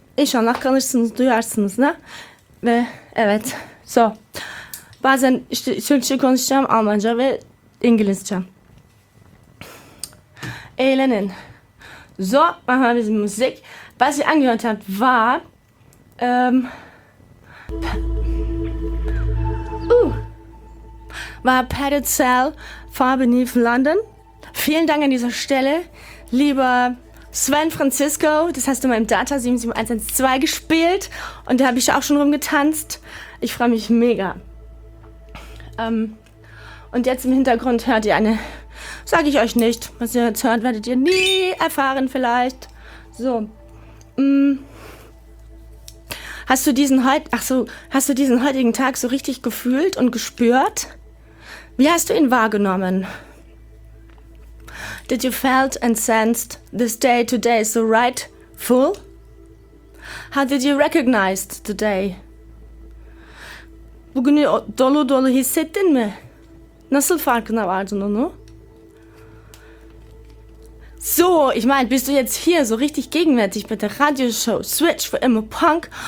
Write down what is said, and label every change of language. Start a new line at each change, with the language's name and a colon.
Turkish: İnşallah kalırsınız, duyarsınız da. Ve evet, so. Bazen işte Türkçe konuşacağım, Almanca ve İngilizce. Eğlenin.
German: So, machen wir ein bisschen Musik. Was ihr angehört habt, war war Padded Cell, Far Beneath London. Vielen Dank an dieser Stelle, lieber Sven Francisco, das hast du mal im Data 77112 gespielt und da habe ich auch schon rumgetanzt. Ich freue mich mega. Und jetzt im Hintergrund hört ihr eine, sag ich euch nicht. Was ihr jetzt hört, werdet ihr nie erfahren vielleicht. So. Hast du diesen heutigen Tag so richtig gefühlt und gespürt? Wie hast du ihn wahrgenommen?
English: Did you felt and sensed this day today so right, full? How did you recognize today?
Turkish: Bugünü dolu dolu hissettin mi? Nasıl farkına vardın onu?
German: So, ich meine, bist du jetzt hier so richtig gegenwärtig bei der Radioshow Switch für immer Punk?